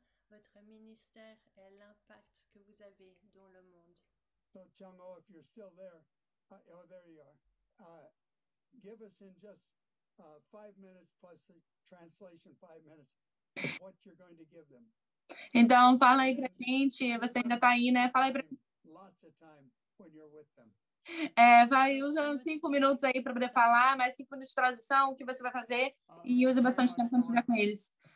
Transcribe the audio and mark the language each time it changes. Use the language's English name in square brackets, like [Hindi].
[French] Votre ministère et l'impact que vous avez dans le monde. [English] So Chung Ho, if you're still there, oh, there you are. Give us in just 5 minutes plus the translation, 5 minutes, what you're going to give them. [Portuguese] Então, fala aí pra gente, você ainda tá aí, né? Fala aí pra [English] lots of time when you're with them. [Portuguese] É, vai, usa uns 5 minutos aí para poder falar, mais 5 minutos de tradução, o que você vai fazer, e usa bastante tempo quando estiver com eles.